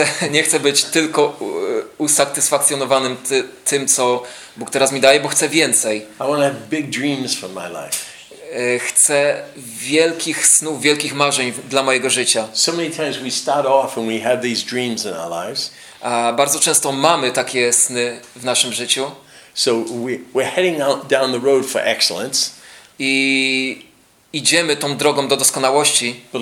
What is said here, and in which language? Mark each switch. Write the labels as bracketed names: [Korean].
[Polish] Nie chcę być tylko usatysfakcjonowanym tym, co Bóg teraz mi daje, bo chcę więcej. [English] I want to have big dreams for my life. [Polish] Chcę wielkich snów, wielkich marzeń dla mojego życia. [English] So many times we start off and we have these dreams in our lives. [Polish] A bardzo często mamy takie sny w naszym życiu. [English] So we're heading out down the road for excellence. [Polish] I idziemy tą drogą do doskonałości.